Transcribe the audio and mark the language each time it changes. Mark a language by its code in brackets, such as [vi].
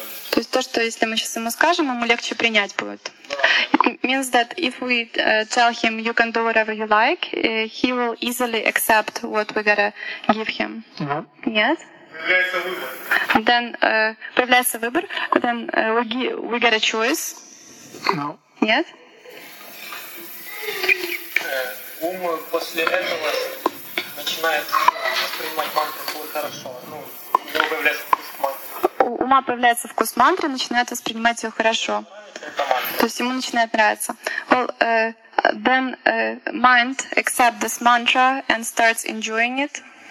[ru] То есть то, что если мы сейчас ему скажем, ему легче принять будет. [en] It means that if we tell him you can do whatever you like, he will easily accept what we gotta give him. Mm-hmm. Yes? Then [ru] появляется выбор. [en] Then we get a choice. No. Yes? [ru] Ум после этого начинает воспринимать мантру хорошо. Ну, у него появляется вкус мантры. У ума появляется вкус мантры, начинает воспринимать ее хорошо. То есть ему начинает нравиться. [en] Well, then mind accepts this mantra and starts enjoying it.